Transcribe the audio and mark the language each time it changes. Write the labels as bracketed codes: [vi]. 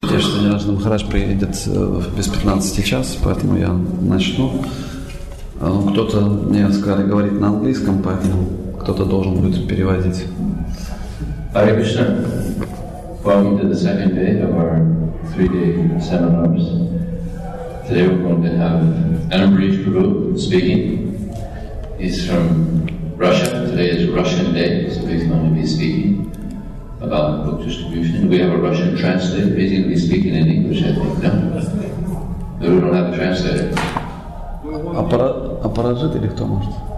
[ru] надеюсь, что Ниражный Махарадж приедет без 15 час, поэтому я начну. Кто-то мне сказали говорить на английском, поэтому кто-то должен будет переводить. [en] Hare Krishna, welcome to the second day of our three-day seminars. Today we're going to have Anubhrish Prabhu speaking. He's from Russia. Today is Russian Day, so he's going to be speaking about book distribution. We have a Russian translator. He's going to be speaking in English, I think, no? But we don't have a translator. [ru] Аппаражит или кто может?